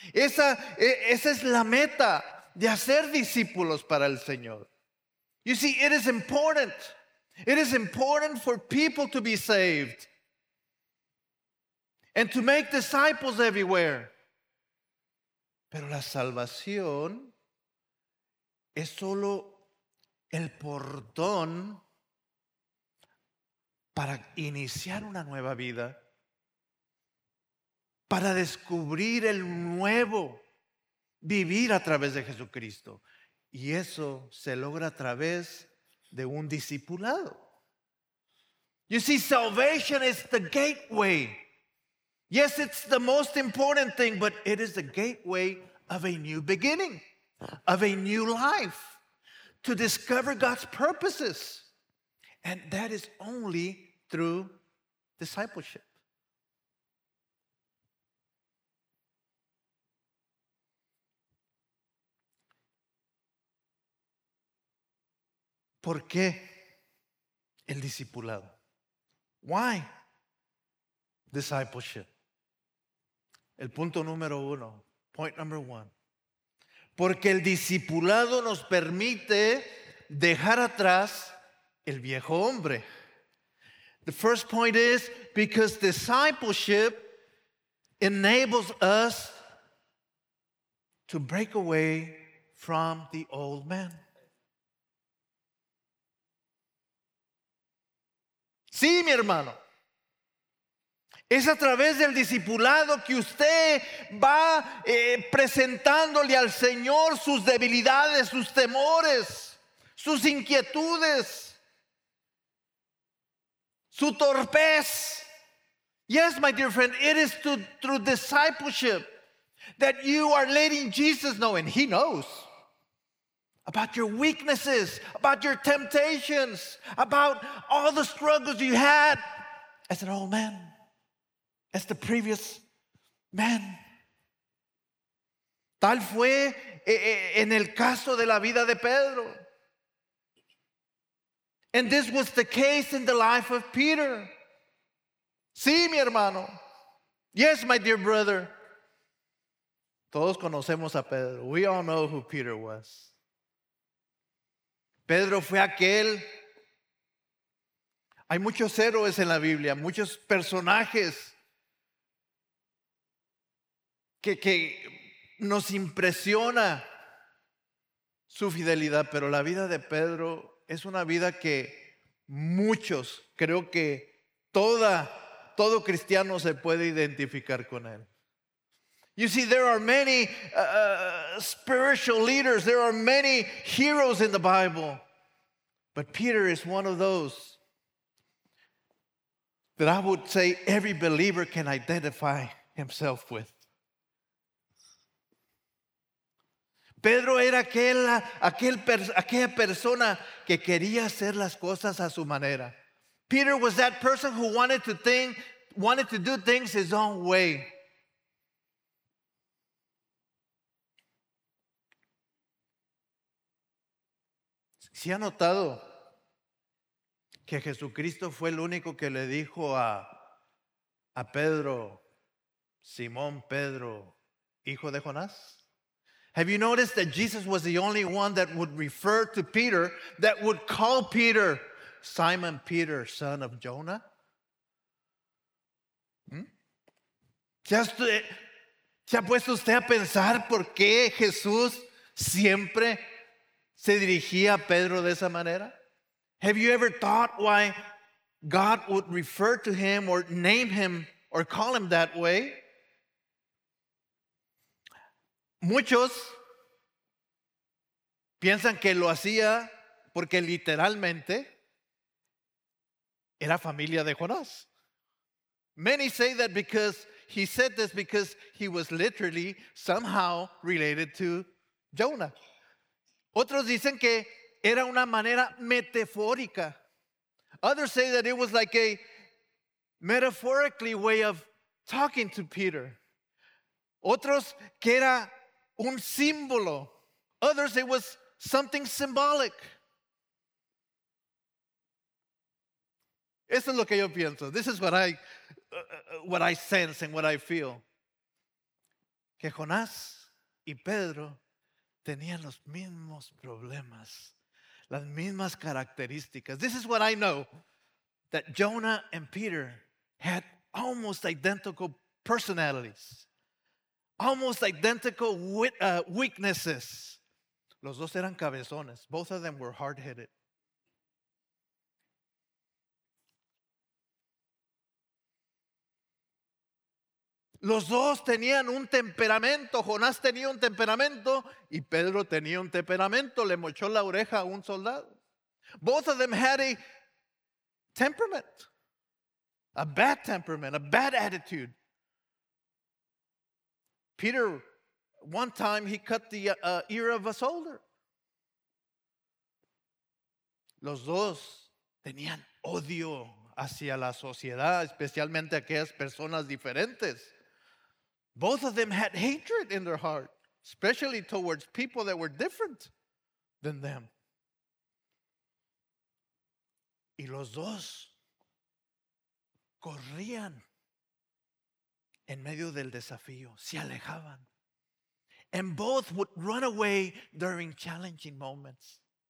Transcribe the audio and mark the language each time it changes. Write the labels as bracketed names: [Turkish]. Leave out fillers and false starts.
[Spanish] Esa es la meta de hacer discípulos para el Señor. [English] You see, it is important. It is important for people to be saved and to make disciples everywhere. [Spanish] Pero la salvación es solo el portón para iniciar una nueva vida, para descubrir el nuevo vivir a través de Jesucristo. Y eso se logra a través de un discipulado. [English] You see, salvation is the gateway. Yes, it's the most important thing, but it is the gateway of a new beginning, of a new life, to discover God's purposes. And that is only through discipleship. [Spanish] ¿Por qué el discipulado? [English] Why discipleship? [Spanish] El punto número uno, [English] point number one. [Spanish] Porque el discipulado nos permite dejar atrás el viejo hombre. [English] The first point is because discipleship enables us to break away from the old man. [Spanish] Sí, mi hermano. Es a través del discipulado que usted va presentándole al Señor sus debilidades, sus temores, sus inquietudes, su torpez. [English] Yes, my dear friend, it is through discipleship that you are letting Jesus know, and he knows, about your weaknesses, about your temptations, about all the struggles you had as an old man, as the previous man. [Spanish] Tal fue en el caso de la vida de Pedro. [English] And this was the case in the life of Peter. [Spanish] Sí, mi hermano. [English] Yes, my dear brother. [Spanish] Todos conocemos a Pedro. [English] We all know who Peter was. [Spanish] Pedro fue aquel. Hay muchos héroes en la Biblia, muchos personajes que nos impresiona su fidelidad, pero la vida de Pedro es una vida que muchos, creo que todo cristiano se puede identificar con él. [English] You see, there are many spiritual leaders. There are many heroes in the Bible. But Peter is one of those that I would say every believer can identify himself with. [Spanish] Pedro era aquella persona que quería hacer las cosas a su manera. [English] Peter was that person who wanted to do things his own way. [Spanish] ¿Se ha notado que Jesucristo fue el único que le dijo a Pedro, Simón Pedro, hijo de Jonás? [English] Have you noticed that Jesus was the only one that would refer to Peter, that would call Peter, Simon Peter, son of Jonah? [Spanish] ¿Se ha puesto usted a pensar por qué Jesús siempre se dirigía a Pedro de esa manera? [English] Have you ever thought why God would refer to him or name him or call him that way? [Spanish] Muchos piensan que lo hacía porque literalmente era familia de Jonás. [English] Many say that because he said this because he was literally somehow related to Jonah. [Spanish] Otros dicen que era una manera metafórica. [English] Others say that it was like a metaphorically way of talking to Peter. [Spanish] Otros que era un símbolo. [English] Others, it was something symbolic. [Spanish] Eso es lo que yo pienso. [English] This is what I sense and what I feel. [Spanish] Que Jonás y Pedro tenían los mismos problemas, las mismas características. [English] This is what I know, that Jonah and Peter had almost identical personalities, almost identical weaknesses. [Spanish] Los dos eran cabezones. [English] Both of them were hard-headed. [Spanish] Los dos tenían un temperamento. Jonás tenía un temperamento y Pedro tenía un temperamento. Le mochó la oreja a un soldado. [English] Both of them had a temperament, a bad temperament, a bad attitude. Peter, one time he cut the ear of a soldier. [Spanish] Los dos tenían odio hacia la sociedad, especialmente aquellas personas diferentes. [English] Both of them had hatred in their heart, especially towards people that were different than them. [Spanish] Y los dos corrían en medio del desafío, se alejaban. [English] And both would run away during challenging moments.